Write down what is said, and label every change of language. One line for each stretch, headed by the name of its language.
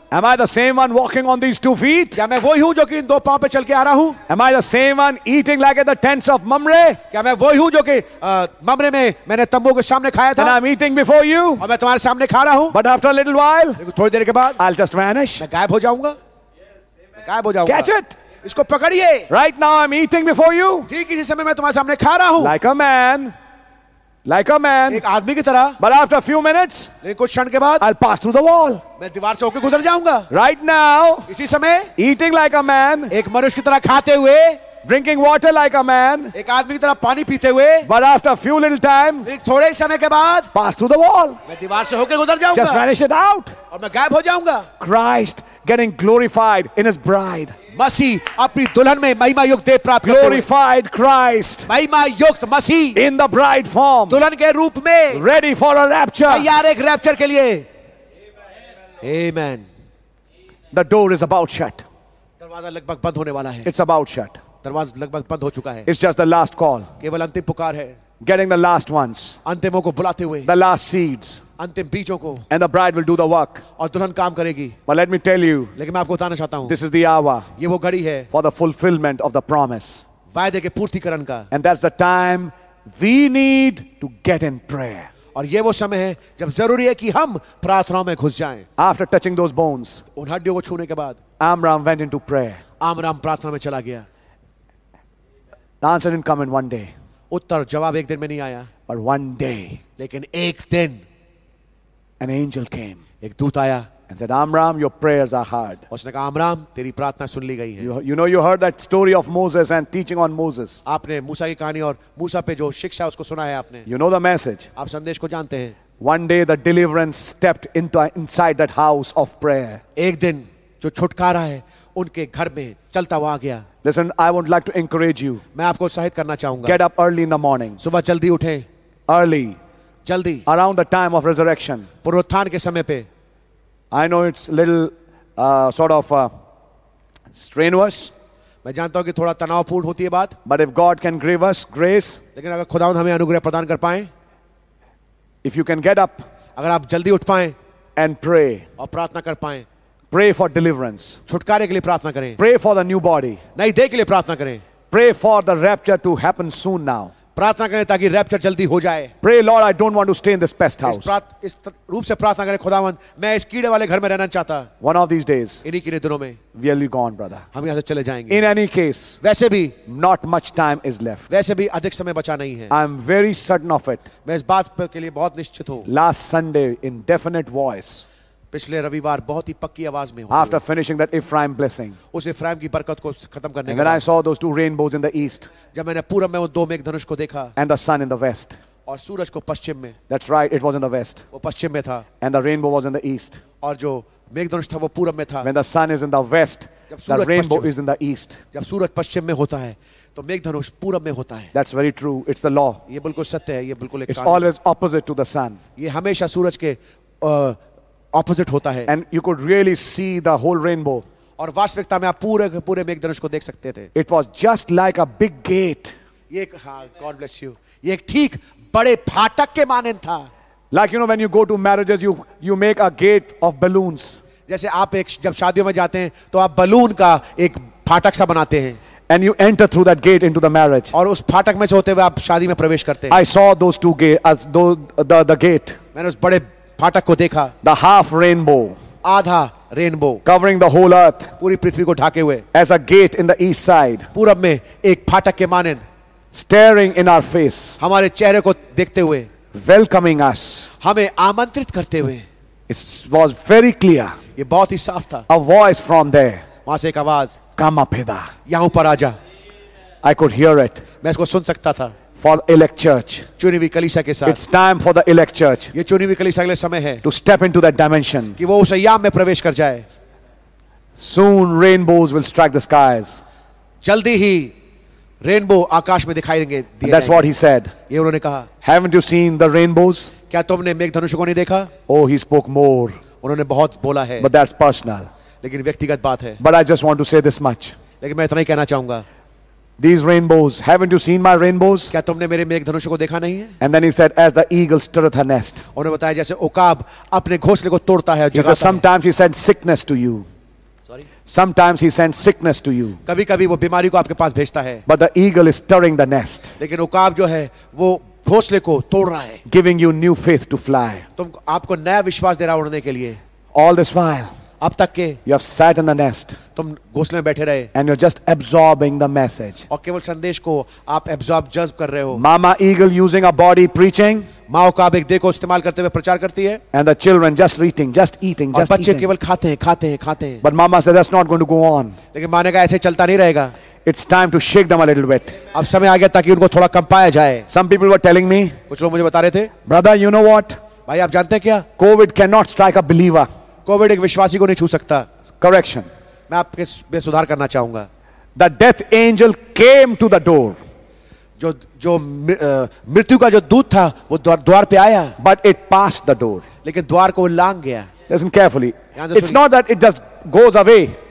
English: Am I the same one walking on these two feet?
Hindi: क्या मैं वही हूँ जो कि इन दो पांव पे चल के आ रहा हूँ?
English: Am I the same one eating like at the tents of Mamre?
Hindi: क्या मैं वही हूँ जो कि Mamre में मैंने तंबू के सामने खाया था?
English: And I'm eating before you.
Hindi: और मैं तुम्हारे सामने खा रहा हूँ.
English: But after a little while,
Hindi: थोड़ी देर के बाद,
English: I'll just vanish.
Hindi: मैं गायब हो जाऊंगा. गायब हो जाऊंगा.
English: Catch it.
Hindi: इसको पकड़िए.
English: Right now I'm eating before you.
Hindi: ठीक इसी समय मैं तुम्हारे सामने खा रहा हूँ.
English: Like a man.
Hindi: एक आदमी की तरह.
English: But after a few minutes.
Hindi: लेकिन कुछ क्षण के बाद.
English: I'll pass through the wall.
Hindi: मैं दीवार से होकर गुजर जाऊंगा.
English: Right now.
Hindi: इसी समय.
English: Eating like a man.
Hindi: एक मनुष्य की तरह खाते हुए.
English: Drinking water like a man.
Hindi: एक आदमी की तरह पानी पीते हुए.
English: But after a few little time.
Hindi: एक थोड़े ही समय के बाद.
English: Pass through the wall.
Hindi: मैं दीवार से होकर गुजर जाऊंगा.
English: Just vanish it out.
Hindi: और मैं गायब हो जाऊंगा.
English: Christ getting glorified in his bride.
Hindi: मसीह अपनी दुल्हन में महिमा युक्त देह प्राप्त.
English: Glorified Christ.
Hindi: महिमा युक्त मसीह.
English: In the bride form.
Hindi: दुल्हन के रूप में.
English: Ready for a rapture.
Hindi: तैयार एक रैप्चर के लिए. Amen.
English: The door is about shut.
Hindi: दरवाजा लगभग बंद होने वाला है.
English: It's about shut.
Hindi: दरवाजा लगभग बंद हो चुका है.
English: It's just the last call.
Hindi: केवल अंतिम पुकार है.
English: Getting the last ones.
Hindi: अंतिमों को बुलाते हुए.
English: The last seeds.
Hindi: अंतिम बीजों को.
English: And the bride will do the work.
Hindi: और दुल्हन काम करेगी.
English: But let me tell you.
Hindi: लेकिन मैं आपको बताना चाहता हूँ.
English: This is the hour.
Hindi: ये वो घड़ी है.
English: For the fulfillment of the promise.
Hindi: वायदे के पूर्तिकरण का.
English: And that's the time we need to get in prayer.
Hindi: और ये वो समय है जब जरूरी है कि हम प्रार्थनाओं में घुस जाएं.
English: After touching those bones.
Hindi: उन हड्डियों को छूने के बाद.
English: Amram went into prayer.
Hindi: आमराम प्रार्थना में चला गया.
English: The answer didn't come in one day.
Hindi: उत्तर जवाब एक दिन में नहीं आया.
English: But one day.
Hindi: लेकिन एक दिन.
English: An angel came.
Hindi: एक दूत आया.
English: And said, "Amram, your prayers are heard."
Hindi: उसने कहा, "Amram, तेरी प्रार्थना सुन ली गई है."
English: You know, you heard that story of Moses and teaching on Moses.
Hindi: आपने मूसा की कहानी और मूसा पे जो शिक्षा उसको सुना है आपने.
English: You know the message.
Hindi: आप संदेश को जानते हैं.
English: One day, the deliverance stepped inside that house of prayer.
Hindi: एक दिन जो छुटकारा है उनके घर में चलता हुआ आ गया.
English: Listen, I would like to encourage you.
Hindi: मैं आपको उत्साहित करना चाहूँगा.
English: Get up early in the morning.
Hindi: सुबह जल्दी उठें.
English: Early.
Hindi: जल्दी.
English: Around the time of resurrection.
Hindi: पुनरुत्थान के समय पे.
English: I know it's little sort of strenuous.
Hindi: मैं जानता हूँ कि थोड़ा तनावपूर्ण होती है बात.
English: But if God can give us grace.
Hindi: लेकिन अगर खुदावंद हमें अनुग्रह प्रदान कर पाएं.
English: If you can get up.
Hindi: अगर आप जल्दी उठ पाएं.
English: And pray.
Hindi: और प्रार्थना कर पाएं.
English: Pray for deliverance.
Hindi: छुटकारे के लिए प्रार्थना करें.
English: Pray for the new body.
Hindi: नई देह के लिए प्रार्थना करें.
English: Pray for the rapture to happen soon now.
Hindi: प्रार्थना करें ताकि रैप्चर जल्दी हो जाए.
English: Pray, Lord, I don't want to stay in this pest house.
Hindi: इस रूप से प्रार्थना करें, खुदावंद, मैं इस कीड़े वाले घर में रहना चाहता.
English: One of these days,
Hindi: इन्हीं किने दिनों में,
English: we will be gone, brother.
Hindi: हम यहाँ से चले जाएंगे.
English: In any case,
Hindi: वैसे भी,
English: not much time is left.
Hindi: वैसे भी अधिक समय बचा नहीं है.
English: I am very certain of it.
Hindi: मैं इस बात के लिए बहुत निश्चित हूँ.
English: Last Sunday, in definite voice.
Hindi: पिछले रविवार बहुत ही पक्की आवाज में
English: After finishing that Ephraim blessing,
Hindi: उस Ephraim की बरकत को खत्म करने
English: when I saw those two rainbows in the east,
Hindi: जब मैंने पूरब में वो दो मेघधनुष को देखा,
English: and the sun in the west,
Hindi: और सूरज को पश्चिम में,
English: that's right, it was in the west,
Hindi: वो पश्चिम में था,
English: and the rainbow was in the east,
Hindi: और जो मेघधनुष था वो पूरब में था,
English: when the sun is in the west, the rainbow is in the east,
Hindi: जब सूरज पश्चिम में होता है तो मेघधनुष पूरब में होता है.
English: That's very true, it's the law,
Hindi: ये बिल्कुल सत्य है, ये बिल्कुल एक
English: it's always opposite to the sun,
Hindi: ये हमेशा सूरज के opposite होता है.
English: And you could really see the whole rainbow.
Hindi: और वास्तविकता में आप पूरे पूरे मेघधनुष को देख सकते थे.
English: It was just like a big gate. God bless you.
Hindi: ये एक ठीक बड़े फाटक के मानन था.
English: Like you know when you go to marriages, you make a gate of balloons.
Hindi: जैसे आप एक जब शादियों में जाते हैं तो आप बलून का एक फाटक सा बनाते हैं.
English: And you enter through that gate into the marriage.
Hindi: और उस फाटक में से होते हुए आप शादी में प्रवेश करते हैं.
English: I saw those two gates, the gate.
Hindi: मैंने उस बड़े फाटक को देखा.
English: the half rainbow,
Hindi: आधा rainbow,
English: covering the whole earth,
Hindi: पूरी पृथ्वी को ढाके हुए,
English: as a gate in the east side,
Hindi: पूरब में एक फाटक के मानिंद,
English: staring in our face,
Hindi: हमारे चेहरे को देखते हुए,
English: welcoming us,
Hindi: हमें आमंत्रित करते हुए.
English: it was very clear,
Hindi: ये बहुत ही साफ था.
English: a voice from there,
Hindi: वहां से एक आवाज,
English: come up hither,
Hindi: यहां पर आ जा.
English: I could hear it,
Hindi: मैं इसको सुन सकता था.
English: For elect church,
Hindi: चुनी हुई कलीसिया के साथ.
English: It's time for the elect church.
Hindi: ये चुनी हुई कलीसिया के लिए समय है.
English: To step into that dimension.
Hindi: कि वो उस आयाम में प्रवेश कर जाए.
English: Soon rainbows will strike the skies.
Hindi: जल्दी ही रेनबो आकाश में दिखाई देंगे.
English: That's what he said.
Hindi: ये उन्होंने कहा.
English: Haven't you seen the rainbows?
Hindi: क्या तुमने मेघधनुषों को नहीं देखा?
English: Oh, he spoke more.
Hindi: उन्होंने बहुत बोला है.
English: But that's personal.
Hindi: लेकिन व्यक्तिगत बात है.
English: But I just want to say this much.
Hindi: लेकिन मैं इतना ही कहना चाहूंगा.
English: These rainbows, haven't you seen my rainbows?
Hindi: क्या तुमने मेरे मेघधनुष को देखा नहीं है?
English: And then he said, as the eagle stirreth her nest.
Hindi: उन्होंने बताया जैसे उकाब अपने घोंसले को तोड़ता है और जगाता है.
English: Sometimes he sends sickness to you. Sorry. Sometimes he sends sickness to you.
Hindi: कभी-कभी वो बीमारी को आपके पास भेजता है.
English: But the eagle is stirring the nest.
Hindi: लेकिन उकाब जो है वो घोंसले को तोड़ रहा है.
English: Giving you new faith to fly.
Hindi: तुम आपको नया विश्वास दे रहा उड़ने के लिए.
English: All this while.
Hindi: अब तक के
English: you have sat in the nest,
Hindi: तुम घोंसले में बैठे रहे,
English: and you're just absorbing the message,
Hindi: और केवल संदेश को आप absorb जज्ब कर रहे हो.
English: Mama eagle using a body preaching,
Hindi: माँ उकाब एक देह को इस्तेमाल करते हुए प्रचार करती है,
English: and the children just eating, just eating,
Hindi: और बच्चे केवल खाते हैं, खाते हैं, खाते हैं.
English: But mama said that's not going to go on.
Hindi: लेकिन माँ ने कहा ऐसे चलता नहीं रहेगा.
English: It's time to shake them a little bit.
Hindi: अब समय आ गया ताकि उनको थोड़ा कंपाया जाए.
English: Some people were telling me,
Hindi: कुछ लोग मुझे बता रहे थे,
English: brother, you know what?
Hindi: भाई आप जानते क्या?
English: COVID cannot strike a believer.
Hindi: Covid एक विश्वासी को नहीं छू सकता.
English: correction,
Hindi: मैं आपके में सुधार करना चाहूंगा.
English: the death angel came to the door,
Hindi: जो जो मृत्यु का जो दूत था वो द्वार पे आया.
English: but it pass the door,
Hindi: लेकिन द्वार को लांग गया.
English: listen carefully, it's not that it just goes away,